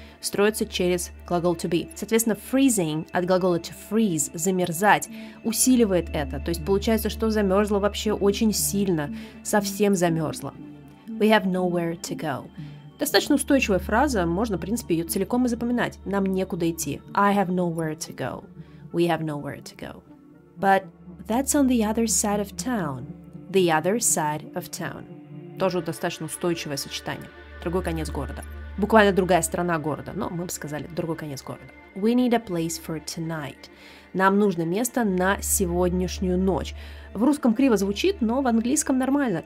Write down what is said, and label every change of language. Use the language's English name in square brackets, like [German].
[Russian] Строится через глагол to be. Соответственно, freezing от глагола to freeze, замерзать, усиливает это. То есть получается, что замерзла вообще очень сильно, совсем замерзла. [English] We have nowhere to go. [Russian] Достаточно устойчивая фраза, можно, в принципе, ее целиком и запоминать. Нам некуда идти. [English] I have nowhere to go. We have nowhere to go. But that's on the other side of town. The other side of town. [Russian] Тоже достаточно устойчивое сочетание. Другой конец города. Буквально другая сторона города, но мы бы сказали другой конец города. [English] We need a place for tonight. [Russian] Нам нужно место на сегодняшнюю ночь. В русском криво звучит, но в английском нормально.